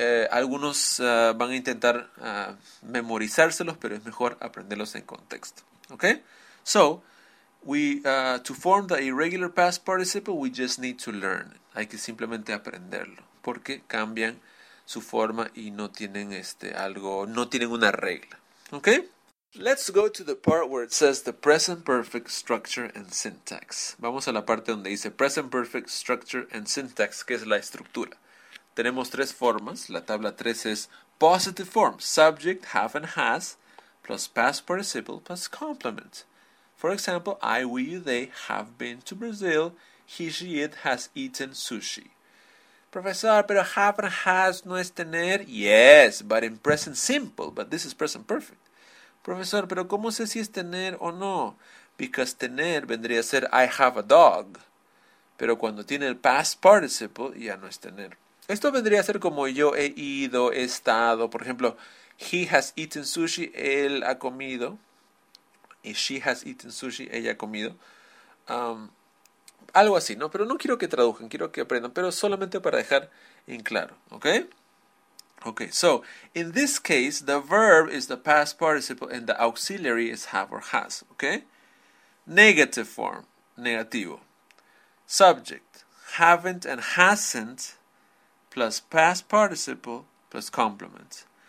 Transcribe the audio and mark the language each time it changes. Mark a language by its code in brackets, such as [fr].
[es] Algunos van a intentar memorizárselos, pero es mejor aprenderlos en contexto. Okay? [en] So, to form the irregular past participle, we just need to learn. [es] Hay que simplemente aprenderlo, porque cambian su forma y no tienen algo, no tienen una regla. [en] Okay? Let's go to the part where it says the present perfect structure and syntax. [es] Vamos a la parte donde dice [en] present perfect structure and syntax, [es] que es la estructura. Tenemos tres formas. La tabla 3 es [en] positive form, subject, have and has, plus past participle, plus complement. For example, I, we, they have been to Brazil, he, she, it has eaten sushi. [es] Profesor, pero [en] have and has [es] no es tener. [en] Yes, but in present simple, but this is present perfect. [es] Profesor, pero ¿cómo sé si es tener o no? Because tener vendría a ser [en] I have a dog. [es] Pero cuando tiene el past participle, ya no es tener. Esto vendría a ser como yo he ido, he estado. Por ejemplo, [en] he has eaten sushi, [es] él ha comido. Y [en] she has eaten sushi, [es] ella ha comido. Algo así, ¿no? Pero no quiero que traduzcan, quiero que aprendan. Pero solamente para dejar en claro, ¿ok? [en] Okay, so, in this case, the verb is the past participle and the auxiliary is have or has, okay? Negative form, negativo. Subject, haven't and hasn't, plus past participle, plus complement.